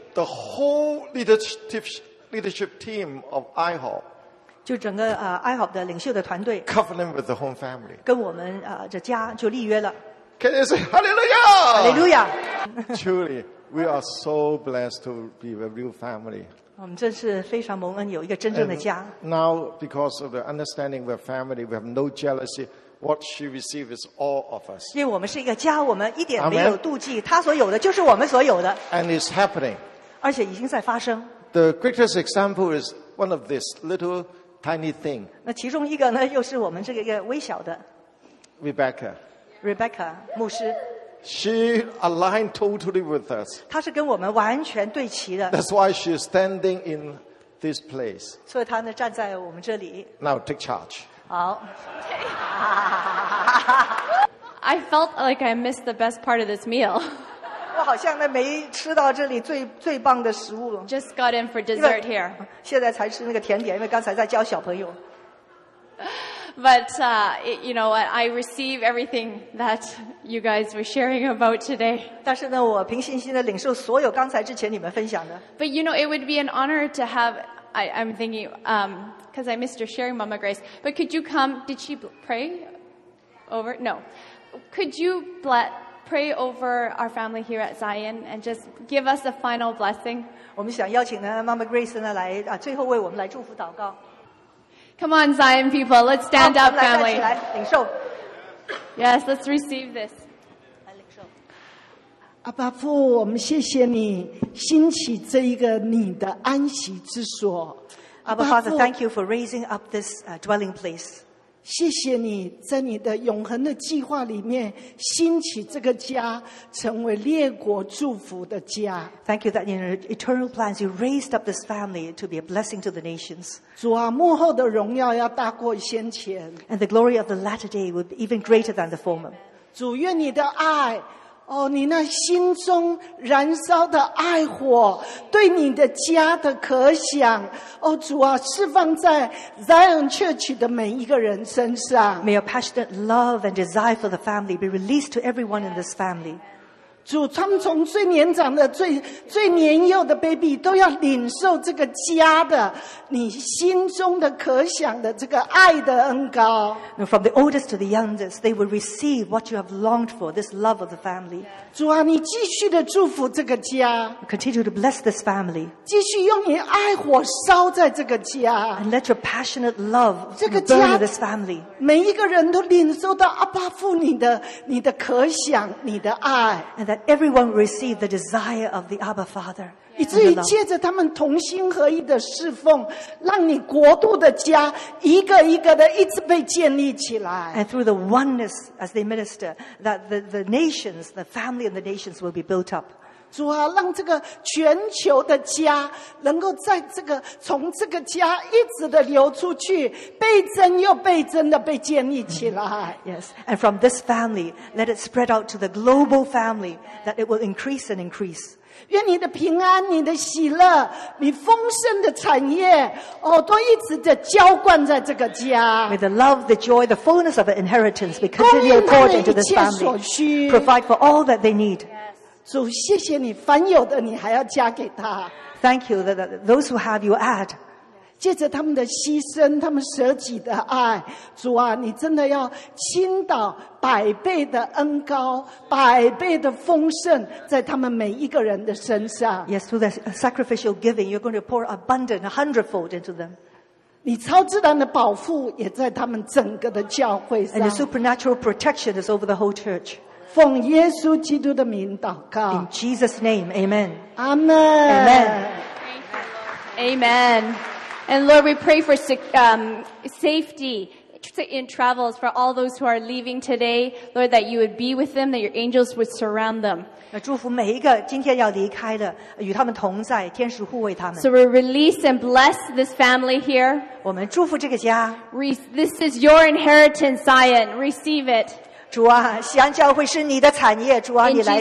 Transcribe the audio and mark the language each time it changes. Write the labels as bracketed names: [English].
[English] The whole leadership team of IHOP [Chinese] 就整个IHOP 的领袖的团队 [English] covenant with the home family [Chinese] 跟我们这家就立约了。 [English] Can you say Hallelujah? Hallelujah! Truly, we are so blessed to be a real family. [Chinese] 我们真是非常蒙恩，有一个真正的家。 [English] Now, because of the understanding of our family, we have no jealousy. What she receives is all of us. [Chinese] 因为我们是一个家，我们一点没有妒忌。她所有的就是我们所有的。 [English] And it's happening. [Chinese] 而且已经在发生。 [English] The greatest example is one of this little tiny thing. [Chinese] 那其中一个呢，又是我们这个一个微小的。 [English] Rebecca. [Chinese] Rebecca, 牧师。 [English] She aligned totally with us. [Chinese] 她是跟我们完全对齐的。 [English] That's why she's standing in this place. [Chinese] 所以她呢，站在我们这里。 [English] Now take charge. [Chinese] 好 [English] I felt like I missed the best part of this meal. [Chinese] 我好像呢没吃到这里最最棒的食物。 [English] Just got in for dessert here. [Chinese] 现在才吃那个甜点，因为刚才在教小朋友。 [English] But you know what? I receive everything that you guys were sharing about today. [Chinese] 但是呢，我凭信心的领受所有刚才之前你们分享的。 [English] But you know, it would be an honor to have. I'm thinking. Because I missed her sharing, Mama Grace. But could you come? Did she pray over? No. Could you pray over our family here at Zion and just give us a final blessing? [Chinese] 我们想邀请呢 Mama Grace 呢来啊，最后为我们来祝福祷告。 [English] Come on, Zion people, let's stand up, family. [Chinese] 来站起来，领受。 [English] Yes, let's receive this. [Chinese] 来领受。阿爸父，我们谢谢你兴起这一个你的安息之所。 [English] Abba Father, thank you for raising up this dwelling place. [Chinese] 谢谢你在你的永恒的计划里面兴起这个家，成为列国祝福的家。 [English] Thank you that in your eternal plans you raised up this family to be a blessing to the nations. [Chinese] 主啊，幕后的荣耀要大过先前。 [English] And the glory of the latter day will be even greater than the former. [Chinese] 主，愿你的爱。哦，你那心中燃烧的爱火，对你的家的可想，哦主啊，释放在 Zion Church 的每一个人身上。 [English] May your passionate love and desire for the family be released to everyone in this family. [Chinese] 主，他们从最年长的、最年幼的 baby 都要领受这个家的你心中的可想的这个爱的恩膏。 [English] Now, from the oldest to the youngest, they will receive what you have longed for, this love of the family. [Chinese] 主啊，你继续的祝福这个家。 [English] Continue to bless this family. [Chinese] 继续用你爱火烧在这个家。 [English] And let your passionate love burn in this family. [Chinese] 每一个人都领受到阿爸父你的可想，你的爱。 [English] And that everyone receive the desire of the Abba Father. [Chinese] 以至于借着他们同心合意的侍奉，让你国度的家一个一个的一直被建立起来。 [English] And through the oneness as they minister, that the nations, the family and the nations will be built up. [Chinese] 主啊，让这个全球的家能够在这个从这个家一直的流出去，倍增又倍增的被建立起来。 Mm-hmm. [English] Yes, and from this family, let it spread out to the global family, that it will increase and increase. [Chinese] 愿你的平安，你的喜乐，你丰盛的产业，哦，都一直的浇灌在这个家。 [English] May the love, the joy, the fullness of the inheritance be continually poured into this family. Provide for all that they need. [Chinese] 主，谢谢你，凡有的你还要加给他。 [English] Thank you that those who have you add. [Chinese] 借着他们的牺牲，他们舍己的爱，主啊，你真的要倾倒百倍的恩膏，百倍的丰盛在他们每一个人的身上。 [English] Yes, through the sacrificial giving, you're going to pour abundant, a hundredfold into them. [Chinese] 你超自然的保护也在他们整个的教会上。 [English] And the supernatural protection is over the whole church. [Chinese] 奉耶稣基督的名祷告。 [English] In Jesus' name, Amen. Amen. Amen. Amen. And Lord, we pray for safety in travels for all those who are leaving today. Lord, that you would be with them, that your angels would surround them. [Chinese] 祝福每一个今天要离开的，与他们同在，天使护卫他们。 [English] So we release and bless this family here. [Chinese] 我们祝福这个家。 [English] This is your inheritance, Zion. Receive it. [Chinese] 主啊，西安教会是你的产业。主啊，你来。